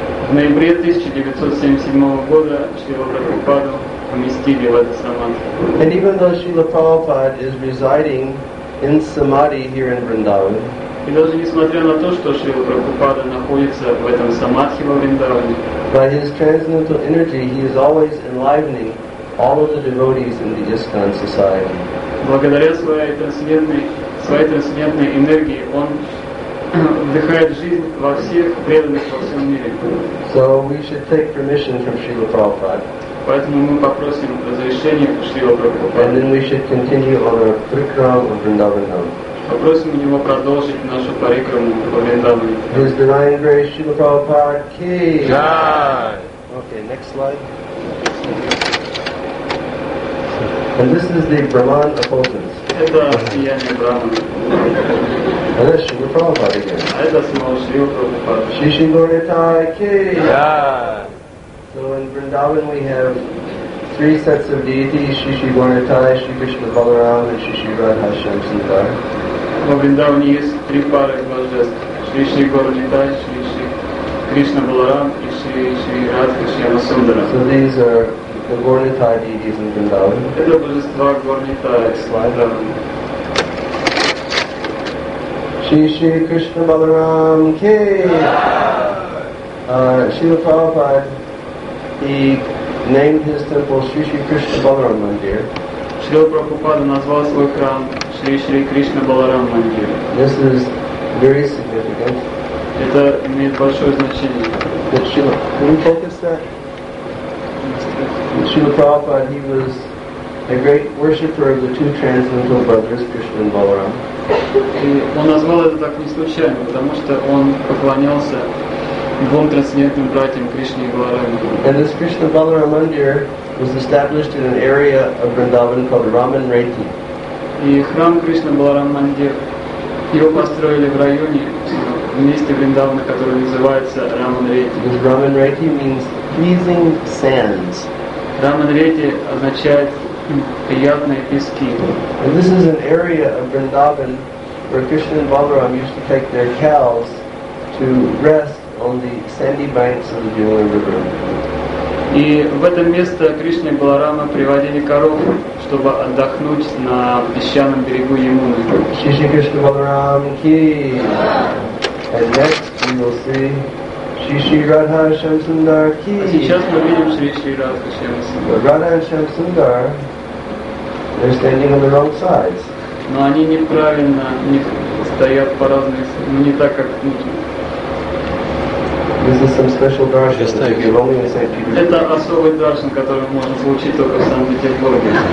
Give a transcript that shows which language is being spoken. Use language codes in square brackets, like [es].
[ru] В ноябре 1977 года Шрила Прабхупаду поместили в этот самадхи. [en] And even though Шрила Прабхупада is residing in samadhi here in Vrindavan, [ru] и даже несмотря на то, что Шрила Прабхупада находится в этом самадхи во Вриндаване, [en] by His transcendental energy, He is always enlivening all of the devotees in the ISKCON society. [ru] Благодаря своей трансцендентной энергии, Он вдыхает жизнь во всех преданных во всем мире. [en] So we should take permission from Srila Prabhupada. [ru] Поэтому мы попросим разрешения у Шрилы Прабхупады. [en] And then we should continue on our parikrama of Vrindavan Dham. [ru] Попросим у него продолжить нашу парикраму по Вриндаване. [en] His divine grace, Srila Prabhupada ki. [hi] Jai. [en] Okay, next slide. And this is the Brahman effulgence. [ru] Это сияние Брахмана. [en] And this is Srila Prabhupada again. [ru] А это снова Srila Prabhupada. [hi] Shishi Gauritai ki. Jai. [en] So in Vrindavan we have three sets of deities, Shishi Gauritai, Shri Krishna Balaram, and Shishi Radha Shamsundar. [ru] Во Вриндаване есть три пары божеств. Шри Шри Гаурнитай, Шри Шри Кришна Баларам и Шри Шри Радха Шьяма Сундара. [en] So these are the Gaurnitai deities in Vrindavan. [ru] Это божества Гаурнитай. [en] Next slide. [hi] Шри Шри Кришна Баларам ки. [en] Шрила Прабхупада, he named his temple Шри Шри Кришна Баларам Мандир. [ru] Шрила Прабхупада назвал свой храм Шри Шри Кришна Баларам Мандир. [en] This is very significant. [ru] Это имеет большое значение. [en] That Shrila, can we focus that? Shrila Prabhupada, he was a great worshipper of the two transcendental brothers, Krishna and Balaram. [ru] И он назвал это так не случайно, потому что он поклонялся двум трансцендентным братьям Кришне и Баларам. [en] And this Krishna Balaram Mandir was established in an area of Vrindavan called Raman Reti. [ru] И храм Кришна Баларам Мандир, его построили в районе, в месте Вриндавана, который называется Раман Рети. [en] Раман Рети means pleasing sands. [ru] Раман Рети означает приятные пески. [en] And this is an area of Vrindavan where Krishna and Balaram used to take their cows to rest on the sandy banks of the Yamuna River. [ru] И в это место Кришна и Баларама приводили коров, чтобы отдохнуть на песчаном берегу Ямуны. [en] Шри Кришна Баларам ки. And next we will see Шри Шри Радха Шамсундар ки. [ru] А сейчас мы видим Шри Шри Радха Шамсундар. [en] Радха Шамсундар, they're standing on the wrong sides. [ru] Но они неправильно, они стоят по разным, не так как [en] this is some special darshan that you can only in St. Petersburg. [ru] Это особый даршан, который можно получить только в Санкт-Петербурге.